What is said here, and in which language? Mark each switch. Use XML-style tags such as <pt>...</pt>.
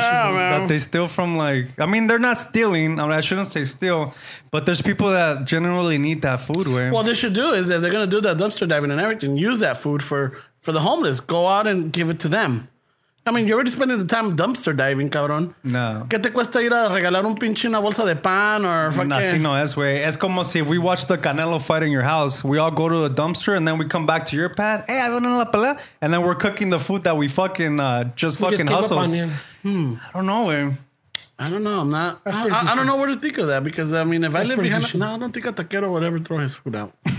<en>that they steal from, like... I mean, they're not stealing. I mean, I shouldn't say steal. But there's people that generally need that food, way. What they should do is, if they're going to do that dumpster diving and everything, use that food for the homeless. Go out and give it to them. I mean, you're already spending the time dumpster diving, cabrón. No.</en> <es>¿Qué te cuesta ir a regalar un pinche una bolsa de pan or fucking? Así no es, güey. Es como si</es> <en>we watch the Canelo fight in your house. We all go to the dumpster and then we come back to your pad. Hey, I want</en> <es>la pelea.</es> <en>And then we're cooking the food that we fucking hustled. I don't know, güey. I don't know. I don't know what to think of that because, I mean, if that's I live behind... No, I don't think a taquero would ever throw his food out.</en>